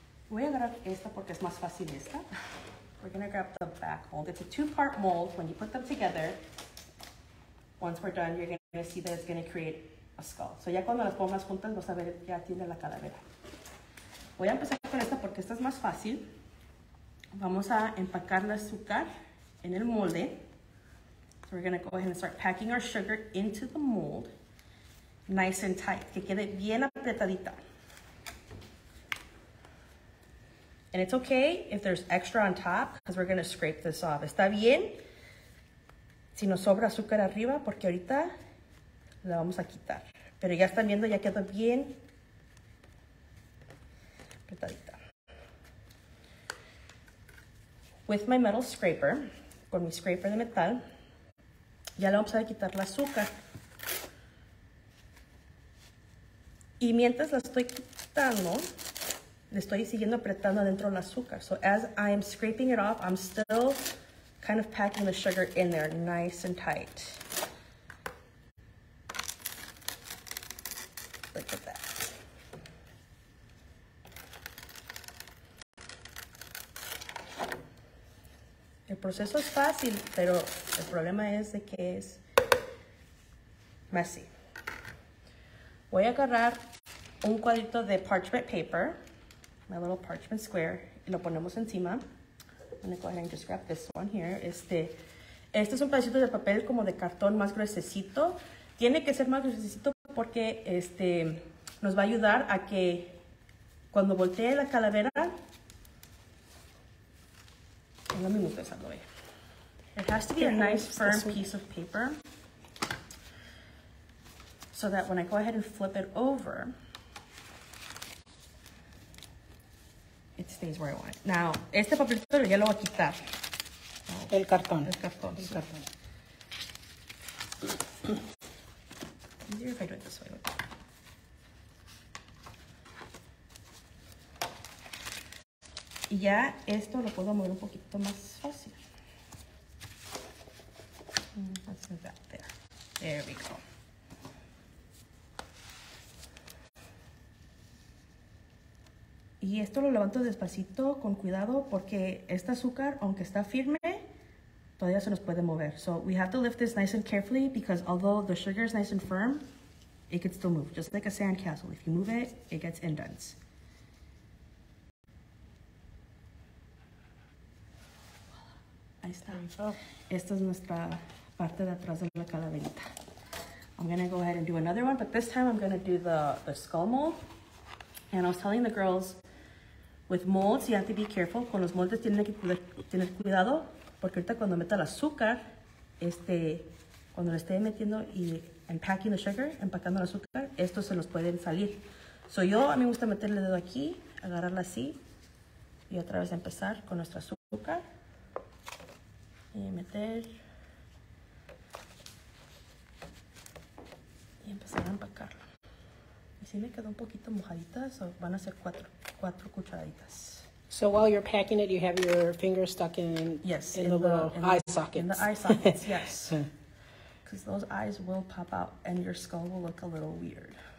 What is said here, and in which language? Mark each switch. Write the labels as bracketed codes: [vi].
[es] Voy a agarrar esta porque es más fácil esta. [en] We're gonna grab the back mold. It's a two-part mold. When you put them together, once we're done, you're gonna see that it's gonna create a skull. [es] So ya cuando las pongas juntas, vas a ver ya tiene la calavera. Voy a empezar con esta porque esta es más fácil. Vamos a empacar el azúcar en el molde. [en] So we're gonna go ahead and start packing our sugar into the mold, nice and tight, [es] que quede bien apretadita. [en] And it's okay if there's extra on top, because we're gonna scrape this off. [es] Está bien si nos sobra azúcar arriba, porque ahorita la vamos a quitar. Pero ya están viendo, ya quedó bien apretadita. [en] With my metal scraper, [es] con mi scraper de metal, ya le vamos a quitar el azúcar. Y mientras la estoy quitando, le estoy siguiendo apretando adentro el azúcar. [en] So as I'm scraping it off, I'm still kind of packing the sugar in there nice and tight. Look at that. [es] El proceso es fácil, pero el problema es de que es messy. Voy a agarrar un cuadrito de parchment paper. [en] My little parchment square, [es] y lo ponemos encima. [en] I'm gonna go ahead and just grab this one here. [es] Este es un pedacito de papel como de cartón más gruesecito. Tiene que ser más gruesecito porque nos va a ayudar a que cuando voltee la calavera, en un minuto esa lo vea. [en] It has to be a nice firm piece of paper so that when I go ahead and flip it over, it stays where I want it. [es] Now, este papelito ya lo voy a quitar. Oh, el cartón. El cartón. El cartón. [en] Easier if I do it this way. [es] Y ya esto lo puedo mover un poquito más fácil. [en] Let's move that there. There we go. [es] Y esto lo levanto despacito, con cuidado, porque este azúcar, aunque está firme, todavía se nos puede mover. [en] So we have to lift this nice and carefully, because although the sugar is nice and firm, it can still move, just like a sandcastle. If you move it, it gets indents. [es] Ahí está. Esta es nuestra parte de atrás de la calaverita. [en] I'm gonna go ahead and do another one, but this time I'm gonna do the skull mold. And I was telling the girls, with molds, you have to be careful. [es] Con los moldes tienen que tener cuidado, porque ahorita cuando meta el azúcar, cuando lo esté metiendo [en] y packing the sugar, [es] empacando el azúcar, estos se nos pueden salir. So yo, a mí me gusta meter el dedo aquí, agarrarla así, y otra vez empezar con nuestro azúcar. Y meter. Y empezar a empacarlo. Y si me quedó un poquito mojadita, so van a ser cuatro cucharaditas. [en] So while you're packing it, you have your finger stuck in the eye sockets. In the eye sockets, yes. Because those eyes will pop out and your skull will look a little weird.